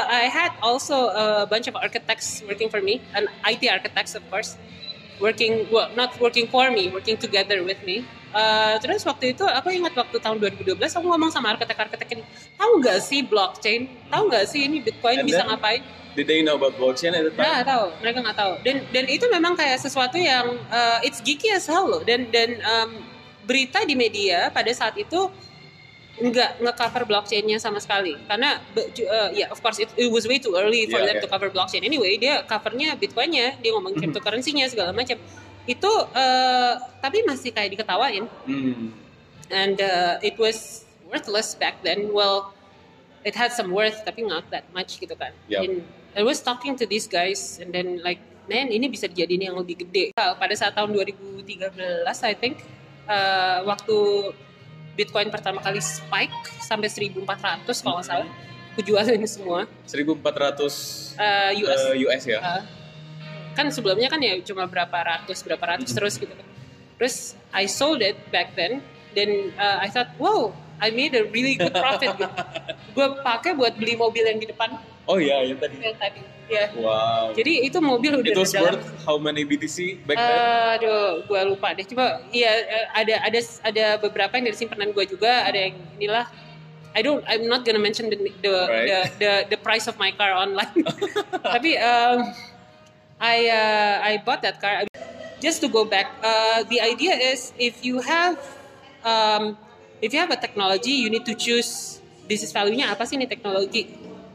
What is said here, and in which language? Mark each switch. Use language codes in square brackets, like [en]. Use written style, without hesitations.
[en] I had also a bunch of architects working for me, and IT architects of course. Working together with me. [id] Terus waktu itu aku ingat waktu tahun 2012 aku ngomong sama arsitek-arsitek ini, tahu nggak sih blockchain? Tahu nggak sih ini Bitcoin [en] and [id] bisa ngapain? [en] Did they know about blockchain at the time? [id] Nggak tahu, mereka nggak tahu. Dan itu memang kayak sesuatu yang [en] it's geeky as hell [id] loh. Dan berita di media pada saat itu nggak nge-cover blockchainnya sama sekali. [en] Karena yeah, of course it was way too early for them to cover blockchain. [id] Anyway, dia covernya Bitcoin-nya, dia ngomongin cryptocurrency-nya segala macam. Itu tapi masih kayak diketawain. [en] And it was worthless back then. Well, it had some worth tapi not that much gitu kan. Yep. And I was talking to these guys and then like, man, [id] ini bisa jadi ini yang lebih gede. Pada saat tahun 2013 [en] I think [id] waktu Bitcoin pertama kali spike sampai 1400 kalau nggak salah. Aku jual ini semua. 1400 [en] US. [id] US ya. Kan sebelumnya kan ya cuma berapa ratus terus gitu. [en] Terus I sold it back then. Then I thought, wow, I made a really good profit. [id] Gue pakai buat beli mobil yang di depan. Oh iya, yang tadi. Yang tadi. Yeah. Wow. Jadi itu mobil udah [en] dalam. It was worth how many BTC back then? [id] Aduh, gue lupa deh. Cuma iya ada beberapa yang dari simpanan gue juga. Ada yang inilah. [en] I'm not gonna mention the price of my car online. Tapi I bought that car just to go back. The idea is if you have a technology, you need to choose business value-nya [id] apa sih ini teknologi.